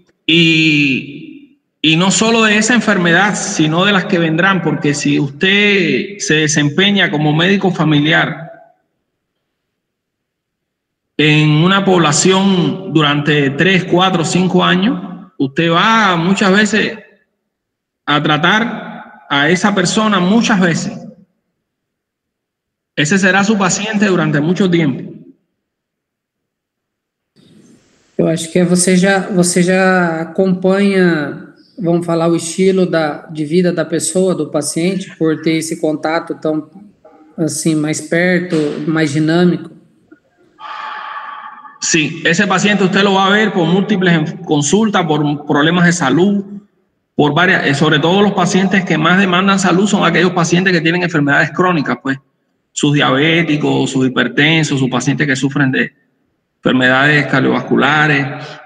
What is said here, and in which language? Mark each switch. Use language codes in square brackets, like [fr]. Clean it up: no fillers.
[es] Y no solo de esa enfermedad, sino de las que vendrán, porque si usted se desempeña como médico familiar en una población durante 3, 4, 5 años, usted va muchas veces a tratar a esa persona muchas veces. Ese será su paciente durante mucho tiempo. [pt] Yo acho que você já acompanha, vamos falar, o estilo de vida da pessoa, do paciente, por ter esse contato tão assim, mais perto, mais dinâmico. [es] Sí, ese paciente usted lo va a ver por múltiples consultas, por problemas de salud, por varias, sobre todo los pacientes que más demandan salud son aquellos pacientes que tienen enfermedades crónicas, pues, sus diabéticos, sus hipertensos, sus pacientes que sufren de enfermedades cardiovasculares.